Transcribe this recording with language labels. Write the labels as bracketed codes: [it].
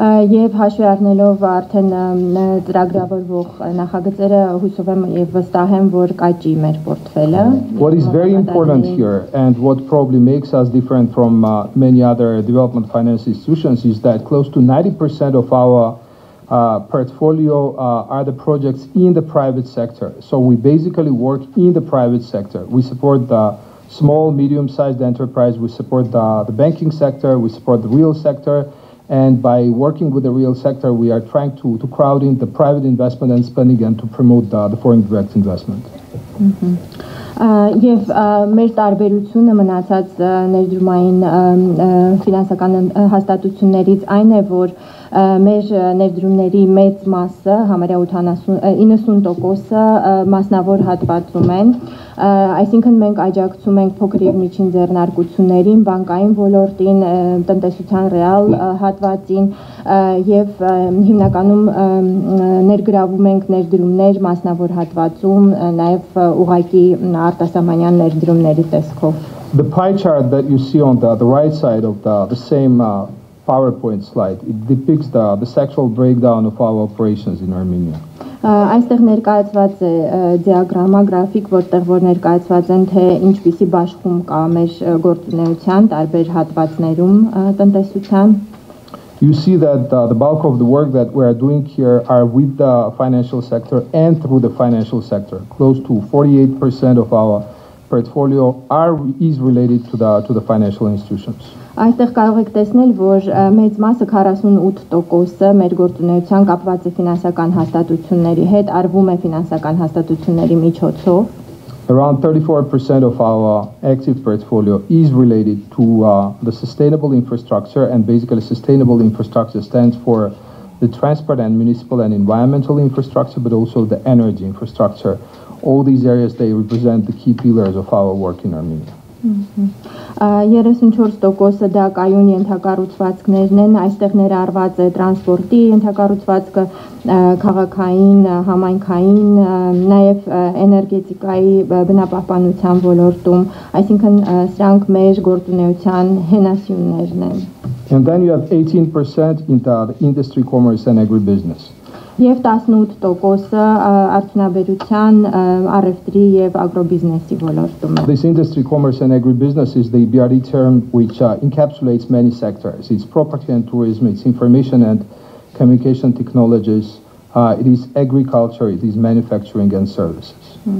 [hy] Եվ հաշվի առնելով արդեն ծրագրավորվող նախագծերը, հուսով եմ եւ վստահ եմ, որ կաճի մեր պորտֆելը։ [en] What is very important here and what probably makes us different from many other development finance institutions is that close to 90% of our portfolio are the projects in the private sector. So we basically work in the private sector. We support the small, medium-sized enterprise, we support the banking sector, we support the real sector. And by working with the real sector, we are trying to crowd in the private investment and spending and to promote the foreign direct investment. [hy] Եվ մեր տարբերությունը մնացած ներդրումային ֆինանսական հաստատություններից այն է, որ մեր ներդրումների մեծ մասը, համարյա 90%-ը մասնավոր հատվածում են, այսինքն մենք աջակցում ենք փոքր և միջին ձեռնարկություններին, բանկային ոլորտին, տնտեսության ռեալ հատվածին, և հիմնականում ներգրավում ենք ներդրումներ մասնավոր հատվածում, նաև ուղղակի արտասահմանյան ներդրումների տեսքով. [en] The pie chart that you see on the right side of the same PowerPoint slide, it depicts the sectoral breakdown of our operations in Armenia. [hy] Այստեղ ներկայացված է դիագրամա, գրաֆիկ, որտեղ որ ներկայացված են, թե ինչպիսի բաշխում կա մեր գործունեության տարբեր հատվածներում տնտեսության։ [en] You see that the bulk of the work that we are doing here are with the financial sector and through the financial sector. Close to 48% of our portfolio is related to the financial institutions. [hy] Այստեղ կարող եք տեսնել, որ մեծ մասը 48%-ը մեր գործունեության կապված է ֆինանսական հաստատությունների հետ, արվում է ֆինանսական հաստատությունների միջոցով. [en] Around 34% of our active portfolio is related to the sustainable infrastructure, and basically sustainable infrastructure stands for the transport and municipal and environmental infrastructure, but also the energy infrastructure. All these areas, they represent the key pillars of our work in Armenia. [hy] 34%-ը դա կայուն ենթակառուցվածքներն են, այստեղ ներառված է տրանսպորտի ենթակառուցվածքը, քաղաքային, համայնքային, նաև էներգետիկայի բնապահպանության ոլորտում, այսինքն սրանք մեր գործունեության հենասյուներն են. [en] And then you have 18% in the industry, commerce and agribusiness. [hy] Եվ 18%-ը արդյունաբերության, առևտրի և ագրոբիզնեսի ոլորտում է։ [en] This industry, commerce and agribusiness is the BRD term which encapsulates many sectors. It's property and tourism, it's information and communication technologies, it is agriculture, it is manufacturing and services.